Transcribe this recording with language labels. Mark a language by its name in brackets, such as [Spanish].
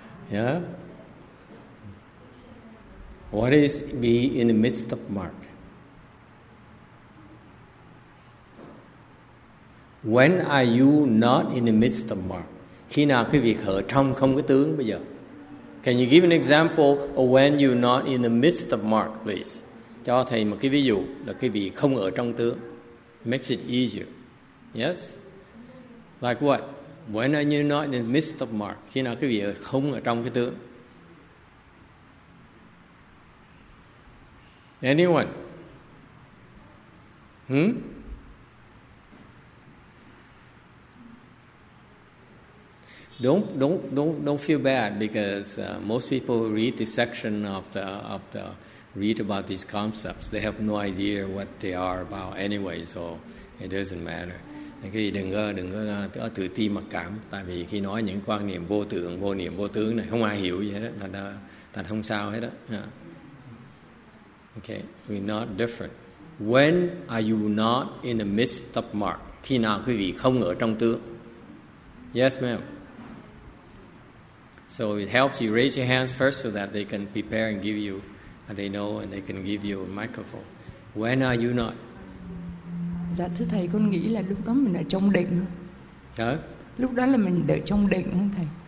[English] Yeah? What is be in the midst of mark? When are you not in the midst of mark? [Vietnamese] Khi nào quý vị ở trong không có tướng bây giờ? [English] Can you give an example of when you're not in the midst of mark, please? [Vietnamese] Cho thầy một cái ví dụ là quý vị không ở trong tướng. [English] Makes it easier. Yes? Like what? When are you not in the midst of mark? [Vietnamese] Khi nào quý vị không ở trong cái tướng? [English] Anyone? Hmm? Don't feel bad because most people read this section of the read about these concepts. They have no idea what they are about anyway, so it doesn't matter. [Vietnamese] Đừng có tự ti mặc cảm, tại vì khi nói những quan niệm vô tưởng, vô niệm, vô tướng này không ai hiểu gì hết á, thật không sao hết á. [English] Okay, we're not different. When are you not in the midst of mark? [Vietnamese] Khi nào quý vị không ở trong tướng? [English] Yes, ma'am. So it helps you raise your hands first so that they can prepare and give you, and they know and they can give you a microphone. When are you not? [Vietnamese] Dạ thưa thầy, con nghĩ là lúc đó mình ở trong định. Hả? Lúc đó là mình ở trong định không thầy?